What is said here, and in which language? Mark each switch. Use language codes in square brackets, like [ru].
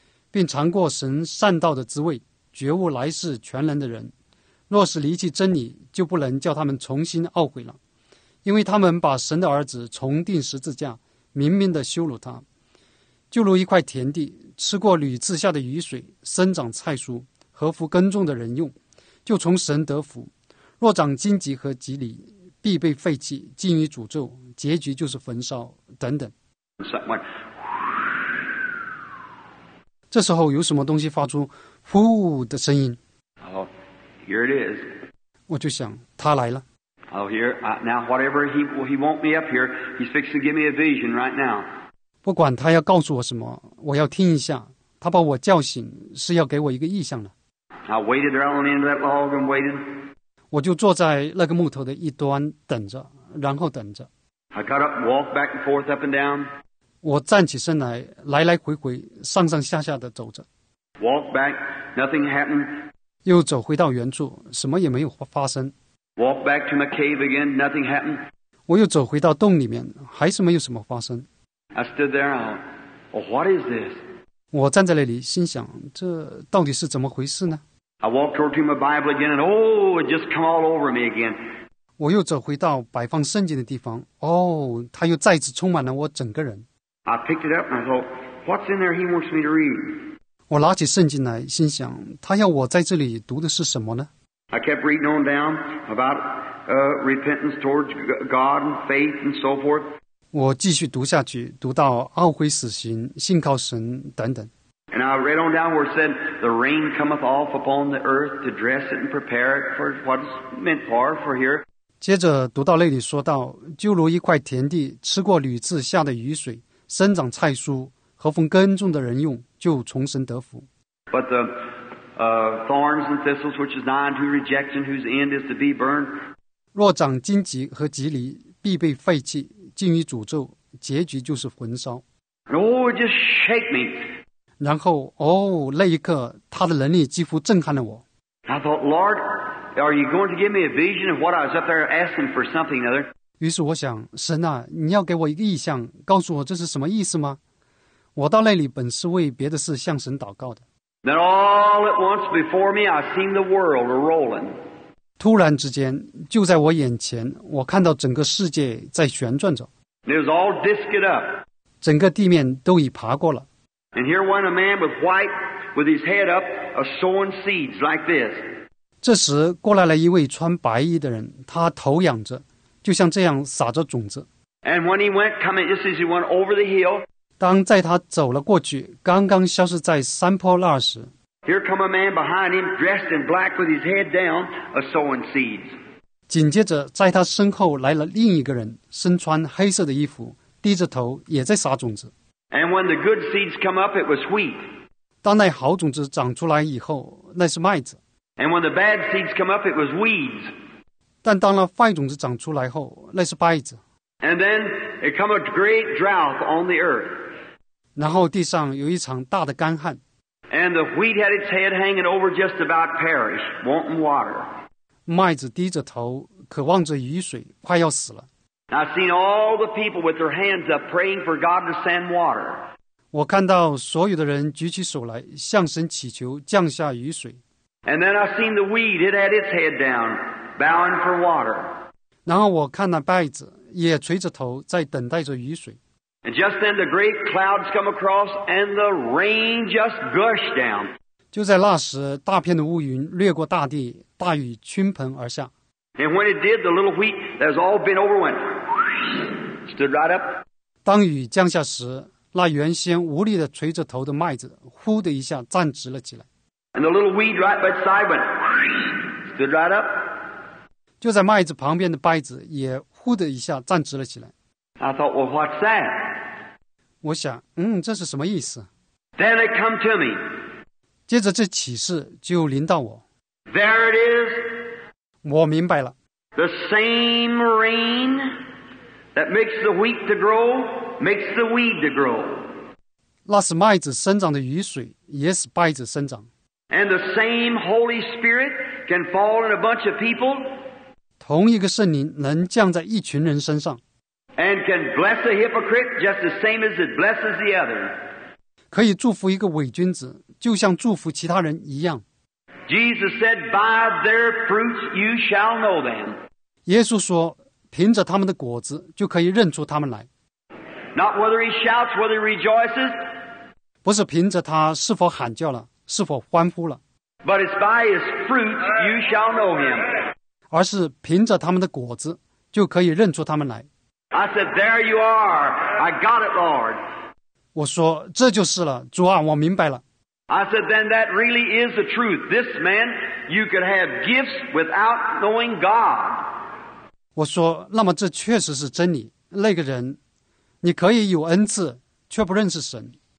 [zh] 并尝过神善道的滋味，觉悟来世全能的人，若是离弃真理，就不能叫他们重新懊悔了，因为他们把神的儿子重钉十字架，明明地羞辱他，就如一块田地吃过屡次下的雨水，生长菜蔬，合乎耕种的人用，就从神得福；若长荆棘和蒺藜，必被废弃，尽于诅咒，结局就是焚烧等等。这时候有什么东西发出呼的声音。 [en] Oh, here it is. [zh] 我就想他来了。 [en] Oh, here, now whatever he want me up here, he's fixing to give me a vision right now. [zh] 不管他要告诉我什么，我要听一下。他把我叫醒是要给我一个意象了。 [en] I waited around on the end of that log and waited. [zh] 我就坐在那个木头的一端等着，然后等着。 [en] I got up and walked back and forth up and down. [zh] 我站起身来，来来回回，上上下下地走着。 [en] Walk back, nothing happened. [zh] 又走回到原处，什么也没有发生。 [en] Walk back to my cave again, nothing happened. [zh] 我又走回到洞里面，还是没有什么发生。 [en] I stood there, what is this? [zh] 我站在那里，心想，这到底是怎么回事呢？ [en] I walked over to my Bible again, and oh, it just come all over me again. [zh] 我又走回到摆放圣经的地方，哦，它又再次充满了我整个人。 [en] I picked it up and I thought, what's in there he wants me to read? [zh] 我拿起圣经来，心想，他要我在这里读的是什么呢？ [en] I kept reading on down about repentance towards God and faith and so forth. [zh] 我继续读下去，读到懊悔死刑、信靠神等等。 [en] And I read on down where it said, the rain cometh off upon the earth to dress it and prepare it for what it's meant for here. [zh] 接着读到那里说到，就如一块田地吃过屡次下的雨水。生长菜蔬，合逢耕种的人用，就从神得福。 [en] But the thorns and thistles, which is nigh unto rejection, whose end is to be burned. [zh] 若长荆棘和蒺藜，必被废弃，尽于诅咒，结局就是焚烧。 [en] Oh, it just shake me. [zh] 然后，哦，那一刻，他的能力几乎震撼了我。 [en] I thought, Lord, are you going to give me a vision of what I was up there asking for something other? [zh] 于是我想，神啊，你要给我一个意象，告诉我这是什么意思吗？我到那里本是为别的事向神祷告的。 [en] Then all at once before me, I seen the world rolling. [zh] 突然之间，就在我眼前，我看到整个世界在旋转着。 [en] It was all disked up. [zh] 整个地面都已爬过了。 [en] And here went a man with white, with his head up, a sowing seeds like this. [zh] 这时过来了一位穿白衣的人，他头仰着。就像这样撒着种子。 [en] And when he went coming, just as he went over the hill, [zh] 当在他走了过去，刚刚消失在山坡那时 [en] ，Here come a man behind him, dressed in black, with his head down, a sowing seeds. [zh] 紧接着，在他身后来了另一个人，身穿黑色的衣服，低着头也在撒种子。 [en] And when the good seeds come up, it was wheat. [zh] 当那好种子长出来以后，那是麦子。 [en] And when the bad seeds come up, it was weeds. [zh] 但当那坏种子长出来后，那是败子。 [en] And then it come a great drought on the earth. [zh] 然后地上有一场大的干旱。 [en] And the wheat had its head hanging over just about perished, wanting water. [zh] 麦子低着头，渴望着雨水，快要死了。 [en] I've seen all the people with their hands up praying for God to send water. [zh] 我看到所有的人举起手来，向神祈求降下雨水。 [en] And then I've seen the weed, it had its head down, bowing for water. [zh] 然后我看那稗子，也垂着头，在等待着雨水。 [en] And just then the great clouds come across and the rain just gushed down. [zh] 就在那时，大片的乌云掠过大地，大雨倾盆而下。 [en] And when it did, the little wheat that has all been over went, stood right up. [zh] 当雨降下时，那原先无力地垂着头的麦子，呼的一下站直了起来。 [en] And the little weed right beside went, stood right up. [zh] 就在麦子旁边的稗子也呼的一下站直了起来。 [en] I thought, well, what's that? [zh] 我想，这是什么意思？ [en] Then it come to me. [zh] 接着这启示就临到我。 [en] There it is. [zh] 我明白了。 [en] The same rain that makes the wheat to grow, makes the weed to grow. [zh] 那是麦子生长的雨水，也使稗子生长。 [en] And the same Holy Spirit can fall in a bunch of people. [zh] 同一个圣灵能降在一群人身上。 [en] And can bless a hypocrite just the same as it blesses the other. [zh] 可以祝福一个伪君子，就像祝福其他人一样。 [en] Jesus said, "By their fruits you shall know them." [zh] 耶稣说，凭着他们的果子就可以认出他们来。 [en] Not whether he shouts, whether he rejoices. [zh] 不是凭着他是否喊叫了，是否欢呼了。 [en] But it's by his fruits you shall know him. [zh] 而是凭着他们的果子就可以认出他们来。 [en] I said, "There you are. I got it, Lord." [zh] 我说这就是了，主啊，我明白了。 [en] I said, "Then that really is the truth. This man, you could have gifts without knowing God." [zh] 我说，那么这确实是真理。那个人，你可以有恩赐，却不认识神。